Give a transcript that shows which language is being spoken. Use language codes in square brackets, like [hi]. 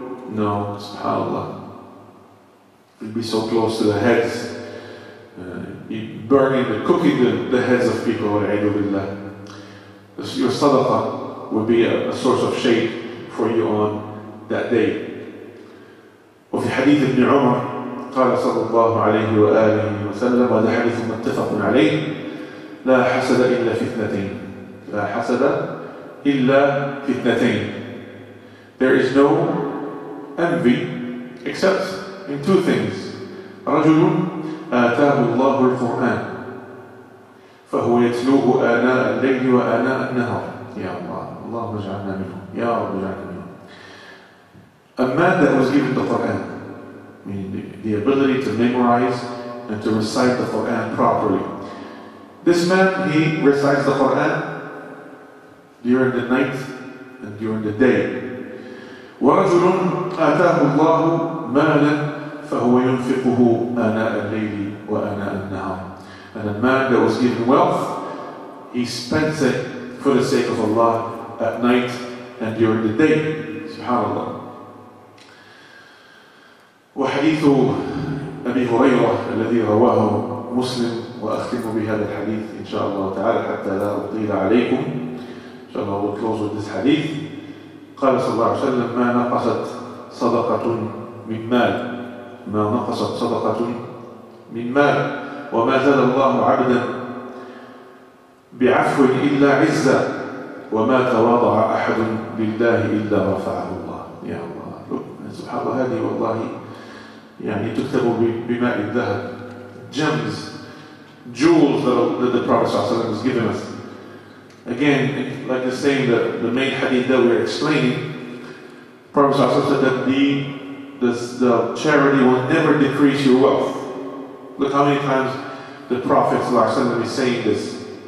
[en] No, subhanAllah. We'd be so close to the heads. Burning and cooking the heads of people, wa'idhu billah. Your sadaqah would be a source of shade for you on that day. [ar] وفي حديث ابن عمر قال صلى الله عليه وآله وسلم هذا حديث متفق عليه لا حسد إلا في اثنتين لا حسد إلا في اثنتين. [en] There is no envy except in two things. [ar] رجل آتاه الله القرآن فهو يتلوه آناء الليل وآناء النهار. يا الله اللهم اجعلنا منهم يا رب اجعلنا منهم. [en] A man that was given the Quran, meaning the ability to memorize and to recite the Quran properly. This man, he recites the Quran during the night and during the day. [ar] ورجل آتاه الله مالا فهو ينفقه آناء الليل وآناء النهار. [en] And a man that was given wealth, he spends it for the sake of Allah at night and during the day. SubhanAllah. [ar] وحديث أبي هريرة الذي رواه مسلم وأختم بهذا الحديث إن شاء الله تعالى حتى لا أطيل عليكم. [en] إن شاء الله we'll close with this hadith. [ar] قال صلى الله عليه وسلم ما نقصت صدقة من مال ما نقصت صدقة من مال وما زاد الله عبدا بعفو إلا عزة وما تواضع أحد لله إلا رفعه الله. يا الله سبحان الله. هذه والله يعني تكتب بماء الذهب. [en] Gems, jewels that the Prophet صلى الله عليه وسلم has given us. Again, like the same, the main hadith that we're explaining, Prophet صلى الله عليه وسلم said that the charity will never decrease your wealth. Look how many times the Prophet صلى الله عليه وسلم is saying this.